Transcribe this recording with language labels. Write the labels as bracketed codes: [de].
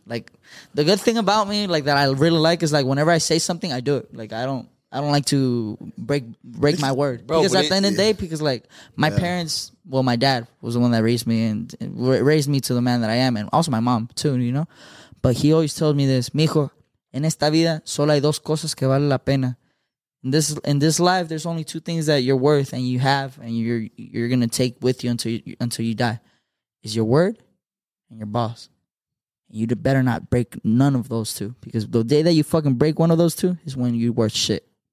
[en] Like, the good thing about me, like, that I really like is, like, whenever I say something, I do it. Like, I don't like to break my word. Bro, because at the end of the day, because, like, my parents, well, my dad was the one that raised me and raised me to the man that I am. And also my mom, too, you know. But he always told me this. [es] Mijo, en esta vida solo hay dos cosas que vale la pena. [en] In this life, there's only two things that you're worth and you have and you're going to take with you until you die. Is your word and your boss. You better not break none of those two. Because the day that you fucking break one of those two is when you're worth shit.